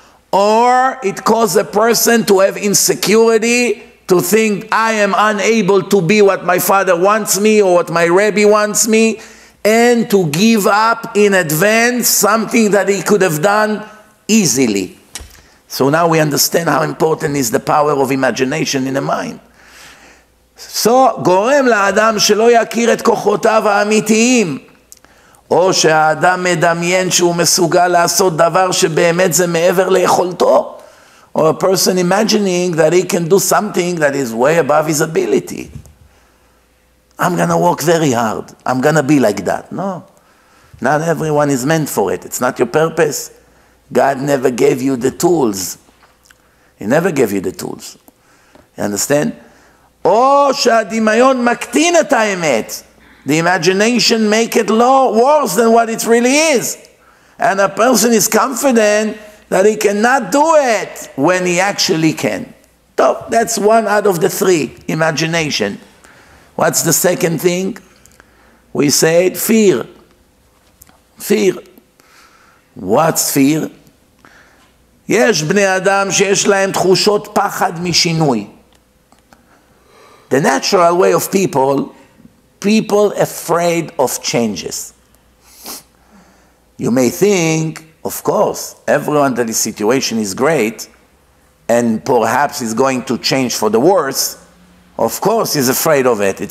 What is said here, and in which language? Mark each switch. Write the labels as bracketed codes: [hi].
[en] Or it causes a person to have insecurity, to think, I am unable to be what my father wants me or what my Rebbe wants me, and to give up in advance something that he could have done easily. So now we understand how important is the power of imagination in the mind. [he] So, גורם לאדם שלא יכיר את כוחותיו האמיתיים, או שהאדם מדמיין שהוא מסוגל לעשות דבר שבאמת זה מעבר ליכולתו, [en] or a person imagining that he can do something that is way above his ability. I'm going to work very hard. I'm going to be like that. No, not everyone is meant for it. It's not your purpose. God never gave you the tools. He never gave you the tools. You understand? [he] או שהדמיון מקטין את האמת. [en] The imagination make it low, worse than what it really is. And a person is confident that he cannot do it when he actually can. So that's one out of the three, imagination. What's the second thing? We said fear. Fear. What's fear? [he] יש בני אדם שיש להם תחושות פחד משינוי. [en] The natural way of people afraid of changes. You may think, of course, everyone that his situation is great and perhaps is going to change for the worse, of course he's afraid of it.